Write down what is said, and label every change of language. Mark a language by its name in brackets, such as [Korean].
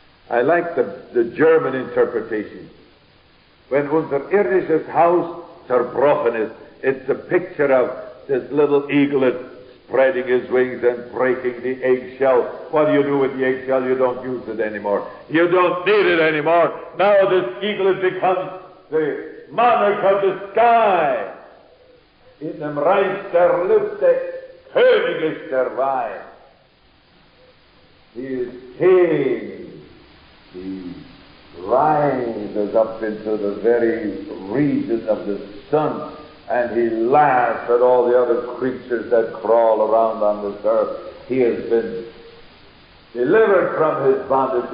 [English] I like the German interpretation. When [German] unser irdisches Haus zerbrochen ist, [English] it's a picture of this little eaglet spreading his wings and breaking the eggshell. What do you do with the eggshell? You don't use it anymore. You don't need it anymore. Now this eaglet becomes the monarch of the sky. [German] In dem Reich der Lüfte, König ist der Wein. [English] He is king. He rises up into the very region of the sun. And he laughs at all the other creatures that crawl around on this earth. He has been delivered from his bondage.